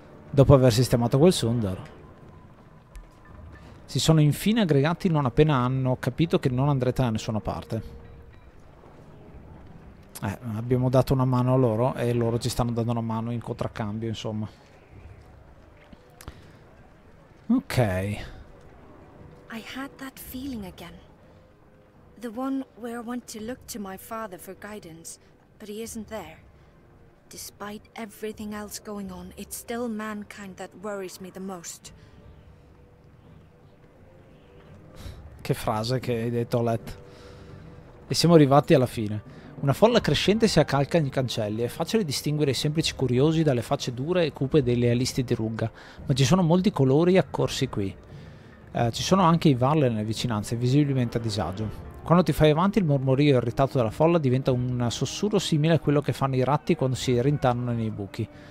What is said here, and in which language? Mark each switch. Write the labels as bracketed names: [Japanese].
[Italian] Dopo aver sistemato quel Sundar. Si sono infine aggregati non appena hanno capito che non andrete da nessuna parte. Abbiamo dato una mano a loro e loro ci stanno dando una mano in contraccambio, insomma. Ok. [English] I had that feeling again. The one where I want to look to my father for guidance, but he isn't there. Despite everything else going on, it's still mankind that worries me the most. [Italian] Che frase che hai detto, Let. E siamo arrivati alla fine. Una folla crescente si accalca nei cancelli. È facile distinguere i semplici curiosi dalle facce dure e cupe dei lealisti di Rugga, ma ci sono molti colori accorsi qui. Ci sono anche i Varl nelle vicinanze, visibilmente a disagio. Quando ti fai avanti, il mormorio irritato della folla diventa un sussurro simile a quello che fanno i ratti quando si rintanano nei buchi.